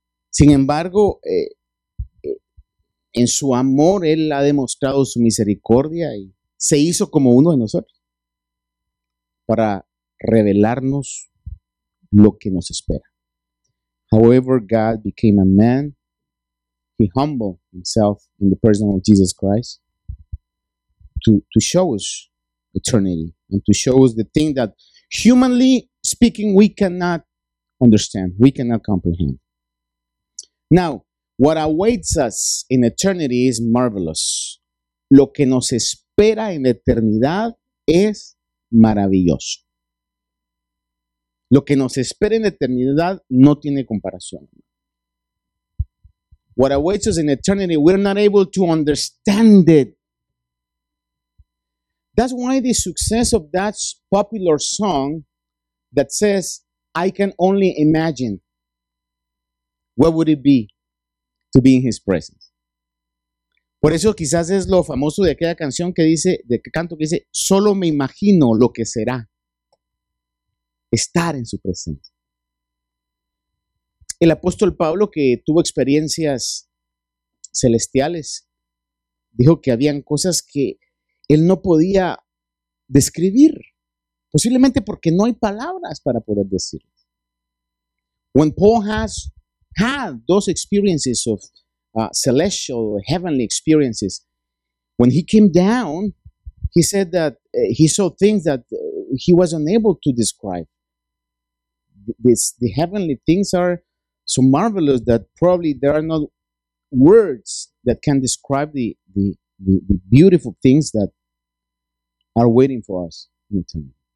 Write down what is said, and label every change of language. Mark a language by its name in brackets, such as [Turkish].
[Spanish] Sin embargo, en su amor, Él ha demostrado su misericordia y se hizo como uno de nosotros para revelarnos lo que nos espera. [English] However, God became a man. He humbled himself in the person of Jesus Christ to show us eternity and to show us the thing that, humanly speaking, we cannot understand, we cannot comprehend. Now, what awaits us in eternity is marvelous. [Spanish] Lo que nos espera en la eternidad es maravilloso. Lo que nos espera en la eternidad no tiene comparación. [English] What awaits us in eternity, we're not able to understand it. That's why the success of that popular song that says, I can only imagine, what would it be to be in his presence? [Spanish] Por eso quizás es lo famoso de aquella canción que dice, de que canto que dice, solo me imagino lo que será estar en su presencia. El apóstol Pablo, que tuvo experiencias celestiales, dijo que habían cosas que él no podía describir, posiblemente porque no hay palabras para poder decir. [English] When Paul has had those experiences of celestial, heavenly experiences, when he came down, He said that he saw things that he was unable to describe. The heavenly things are so marvelous that probably there are not words that can describe the beautiful things that are waiting for us in eternity.